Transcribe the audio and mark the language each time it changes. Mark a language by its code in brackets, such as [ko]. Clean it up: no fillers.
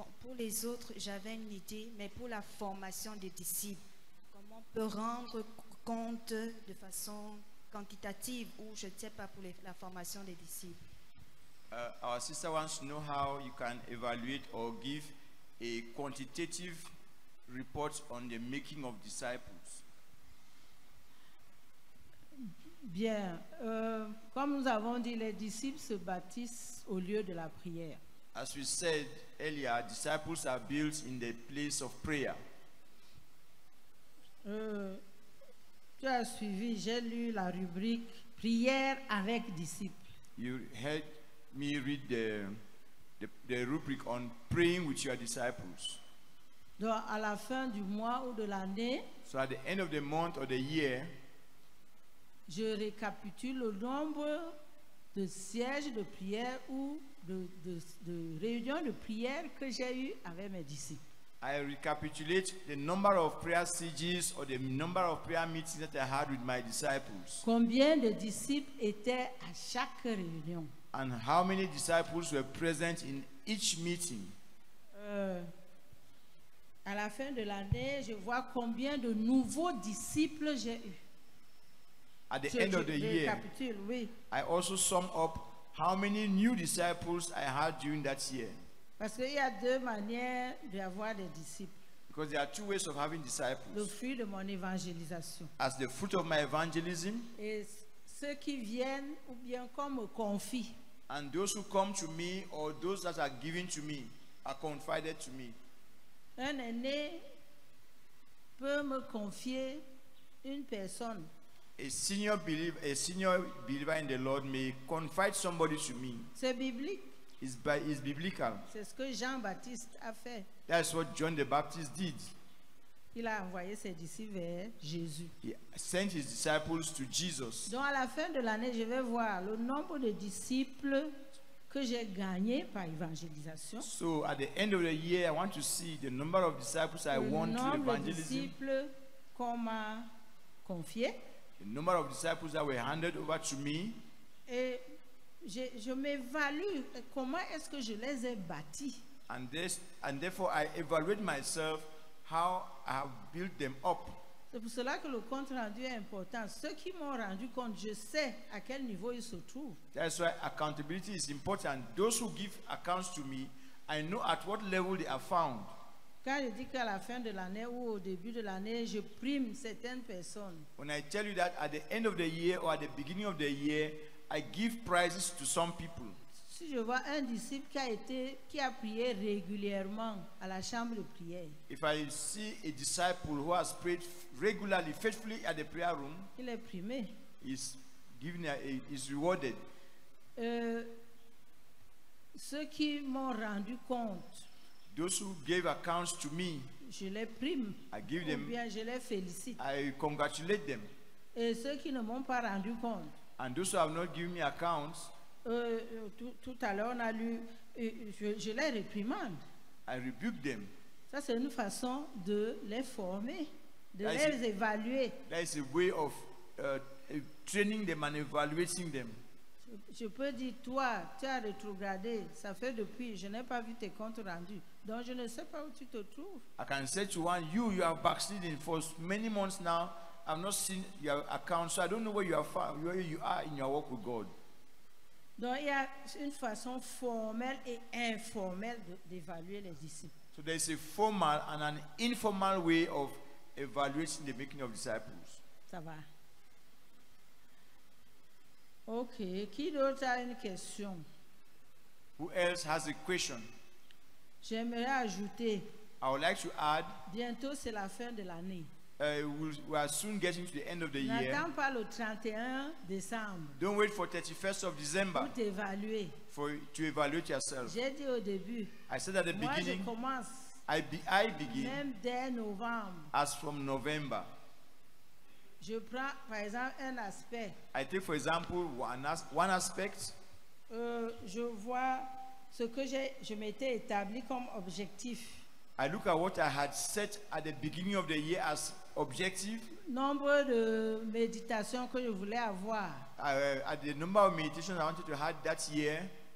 [fr] Pour les autres, j'avais une idée, mais pour la formation des disciples, comment on peut rendre compte de façon quantitative ou je ne sais pas pour la formation des disciples? [en] Our sister wants to know how you can evaluate or give a quantitative report on the making of disciples. [fr] Bien, comme nous avons dit, les disciples se bâtissent au lieu de la prière. [en] As we said earlier, disciples are built in the place of prayer. [fr] Tu as suivi, j'ai lu la rubrique prière avec disciples. [en] You heard me read the rubric on praying with your disciples. [fr] Donc à la fin du mois ou de l'année, [en] so at the end of the month or the year, [fr] je récapitule le nombre de sièges de prière ou de réunions de prière que j'ai eu avec mes disciples. [en] I recapitulate the number of prayer sieges or the number of prayer meetings that I had with my disciples. [fr] Combien de disciples étaient à chaque réunion? [en] And how many disciples were present in each meeting? [fr] À la fin de l'année, je vois combien de nouveaux disciples j'ai eu. [en] At the end of the year, [fr] oui. [en] I also sum up how many new disciples I had during that year. [fr] Parce qu'il y a deux manières d'avoir des disciples. [en] Because there are two ways of having disciples. [fr] Le fruit de mon évangélisation. [en] As the fruit of my evangelism. [fr] Et ceux qui viennent ou bien qu'on me confie. [en] And those who come to me or those that are given to me, are confided to me. [fr] Un aîné peut me confier une personne. [en] A senior believer in the Lord may confide somebody to me. [fr] C'est biblique. [en] It's biblical. [fr] C'est ce que Jean-Baptiste a fait. [en] That's what John the Baptist did. [fr] Il a envoyé ses disciples vers Jésus. [en] He sent his disciples to Jesus. [fr] Donc à la fin de l'année, je vais voir le nombre de disciples que j'ai gagné par évangélisation. [en] So at the end of the year, I want to see the number of disciples I won through evangelism. [fr] Le nombre de disciples qu'on m'a confié. [en] The number of disciples that were handed over to me. [fr] Et je m'évalue comment est-ce que je les ai bâtis. [en] And therefore I evaluate myself how I have built them up. [fr] C'est pour cela que le compte rendu est important. Ceux qui m'ont rendu compte, je sais à quel niveau ils se trouvent. [en] That's why accountability is important. Those who give accounts to me, I know at what level they are found. [fr] Quand je dis qu'à la fin de l'année ou au début de l'année, je prime certaines personnes. [en] When I tell you that at the end of the year or at the beginning of the year, I give prizes to some people. [fr] Si je vois un disciple qui a prié régulièrement à la chambre de prière. [en] If I see a disciple who has prayed regularly, faithfully at the prayer room, [fr] il est primé. [en] He's given, is rewarded. [fr] Ceux qui m'ont rendu compte. [en] Those who gave accounts to me, [fr] je les prime, [en] I give them, [fr] bien je les félicite. [en] I congratulate them. [fr] Et ceux qui ne m'ont pas rendu compte, [en] and those who have not given me accounts, [fr] tout à l'heure on a lu, je les réprimande. [en] I rebuke them. [fr] Ça c'est une façon de les former, de les évaluer. [en] That is a way of training them and evaluating them. [fr] Je peux dire, toi, tu as rétrogradé, ça fait depuis, je n'ai pas vu tes comptes rendus. Donc, je ne sais pas où tu te trouves. [en] I can say to one, you have backslidden for many months now. I've not seen your account, so I don't know where you are in your work with God. [fr] Donc, il y a une façon formelle et informelle d'évaluer les disciples. [en] So, there is a formal and an informal way of evaluating the making of disciples. [fr] Ça va. Ok, qui d'autre a une question? [en] Who else has a question? [fr] J'aimerais ajouter. [en] I would like to add. [fr] Bientôt c'est la fin de l'année. [en] We are soon getting to the end of the year. [fr] N'attends pas le 31 décembre. [en] Don't wait for 31st of December. [fr] Pour t'évaluer. [en] To evaluate yourself. [fr] J'ai dit au début. [en] I said at the beginning. [fr] Moi je commence. [en] I begin. [fr] Même dès novembre. [en] As from November. [fr] Je prends, par exemple, un aspect. [en] I take, for example, one aspect. [fr] Je vois ce que je m'étais établi comme objectif. [en] I look at what I had set at the beginning of the year as objective. [fr] Nombre de méditations que je voulais avoir. [en] At the number of meditations I wanted to have that year.